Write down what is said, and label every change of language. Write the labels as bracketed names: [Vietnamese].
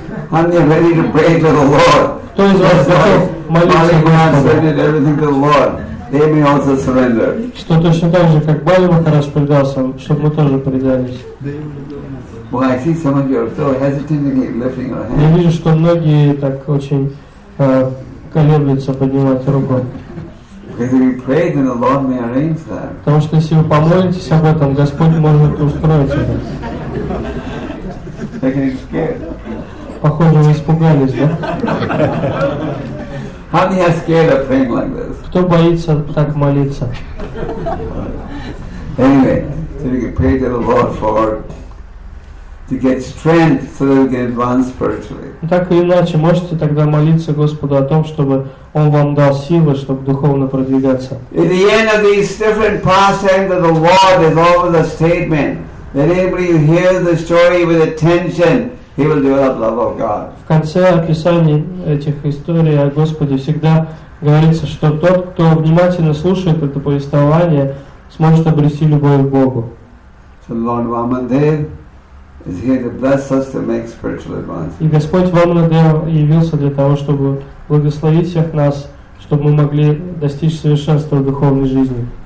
[English] Are you ready to pray to the Lord? [Russian] Кто из вас готов молиться Господу? [English] Surrender everything to the Lord. They may also surrender. [Russian] Что точно так же, как Бали Махарадж предался, чтобы мы тоже предались. [English] Well, I see some of you are so hesitantly lifting your hand. [Russian] Я вижу, что многие так очень колеблются поднимать руку. [English] Because if you pray, then the Lord may arrange that. [Russian] Потому что если вы помолитесь об этом, Господь может устроить это. Похоже, вы испугались, да? [English] How many are scared of praying like this? [Russian] Кто боится так молиться? [English] Anyway, so we can pray to the Lord for to get strength so that we can advance spiritually. [Russian] Так или иначе, можете тогда молиться Господу о том, чтобы Он вам дал силы, чтобы духовно продвигаться. [English] In the end of these different pastimes of the Lord is always a statement that anybody who hears the story with attention, he will develop love of God. [Russian] В конце описания этих историй о Господе всегда говорится, что тот, кто внимательно слушает это повествование, сможет обрести любовь к Богу. [English] So Lord Vamandev is here to bless us to make spiritual advances. [Russian] И Господь Вамандев явился для того, чтобы благословить всех нас, чтобы мы могли достичь совершенства в духовной жизни.